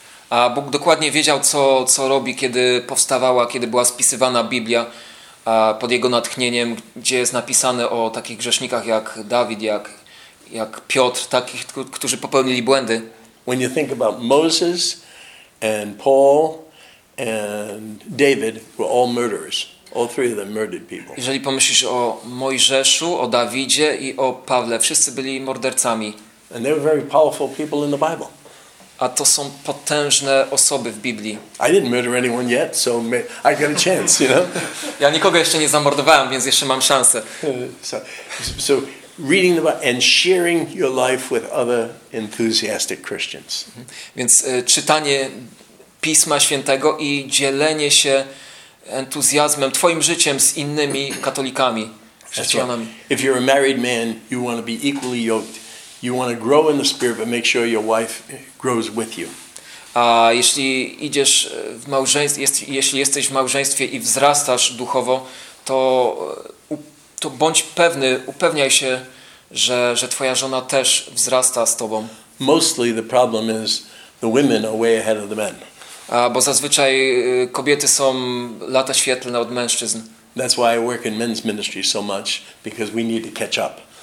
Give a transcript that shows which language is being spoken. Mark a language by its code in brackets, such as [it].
[pl] A Bóg dokładnie wiedział, co robi, kiedy powstawała, kiedy była spisywana Biblia pod jego natchnieniem, gdzie jest napisane o takich grzesznikach jak Dawid, jak Piotr, takich, którzy popełnili błędy. [en] When you think about Moses and Paul and David were all murderers. All three of them murdered people. [pl] Jeżeli pomyślisz o Mojżeszu, o Dawidzie i o Pawle, wszyscy byli mordercami. [en] And they were very powerful people in the Bible. [pl] A to są potężne osoby w Biblii. [en] I didn't murder anyone yet, so I got a chance, you know? [pl] Ja nikogo jeszcze nie zamordowałem, więc jeszcze mam szansę. [en] So reading the Bible and sharing your life with other enthusiastic Christians. [pl] Więc czytanie Pisma Świętego i dzielenie się entuzjazmem, twoim życiem z innymi katolikami, chrześcijanami. [en] If you're a married man, you want to be equally yoked. You want to grow in the spirit, but make sure your wife grows with you. [pl] A jeśli idziesz w małżeństwie, jeśli jesteś w małżeństwie i wzrastasz duchowo, to bądź pewny, upewniaj się, że twoja żona też wzrasta z tobą. [en] Mostly the problem is the women are way ahead of the men. [pl] Bo zazwyczaj kobiety są lata świetlne od mężczyzn. [en] That's why I work in men's ministry so much, because we need to catch up.